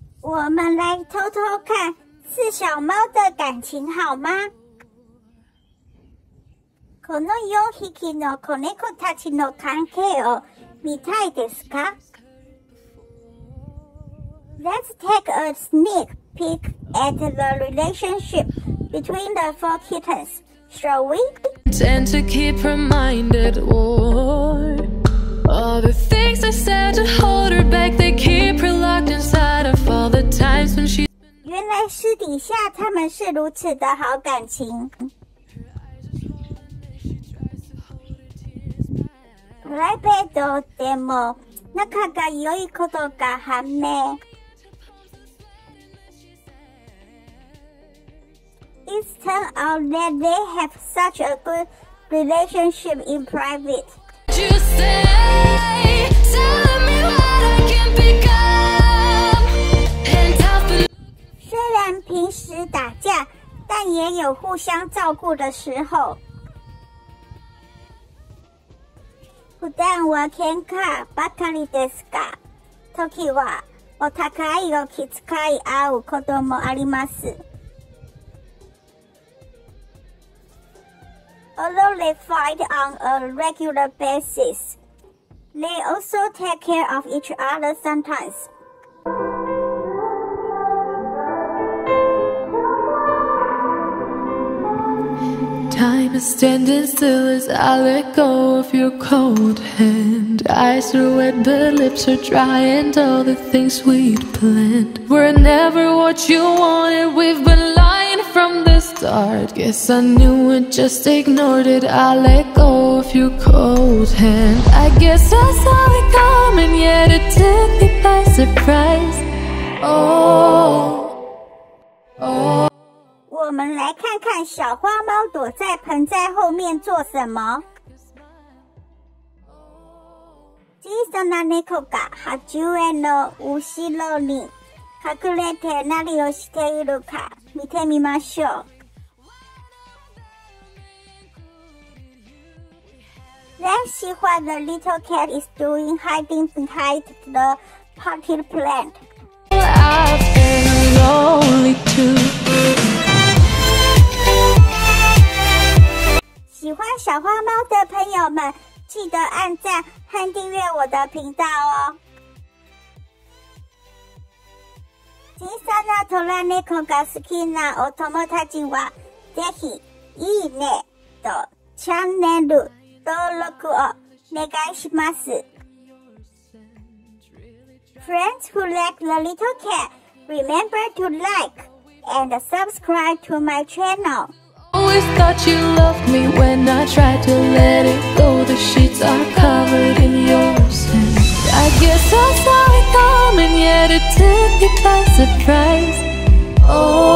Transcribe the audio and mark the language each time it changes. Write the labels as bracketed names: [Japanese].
[Chinese] 我们来偷偷看四小猫的感情好吗？ [Japanese] この4匹の子猫たちの関係を見たいですか？ [English] Let's take a sneak peek at the relationship between the four kittens, shall we? Tend to keep reminded or all the things I said to hold her back, they keep her locked inside of all the times when she's been... [Chinese] 原来私底下他们是如此的好感情。 [Japanese] プライベートでも仲が良いことが判明。 [English] It's turned out that they have such a good relationship in private. Just say, tell me what I can become. And I've been... [Chinese] 虽然平时打架，但也有互相照顾的时候。 [Japanese] 普段は喧嘩ばかりですが、時はお互いを気遣い合うこともあります。 [English] Although they fight on a regular basis, they also take care of each other sometimes. Time is standing still as I let go of your cold hand. Eyes are wet, but lips are dry, and all the things we'd planned were never what you wanted. We've been lying from the start. Guess I knew it, just ignored it. I let go of your cold hand. I guess I saw it coming, yet it took me by surprise. Oh. [Chinese] 我们来看看小花猫躲在盆栽后面做什么。 [Japanese] 小さな猫が鉢植えの後ろに隠れて何をしているか見てみましょう。 [English] Let's see what the little cat is doing hiding behind the potted plant. I've been lonely too. [Chinese] 喜欢小花猫的朋友们，记得按赞和订阅我的频道哦。 [Japanese] 小さな虎猫が好きなお友達は、ぜひいいねとチャンネル登録をお願いします。 [English] Friends who like the little cat, remember to like and subscribe to my channel. Always thought you loved me when I tried to let it go. The sheets are covered in your scent. I guess I saw it coming, yet it took me by surprise.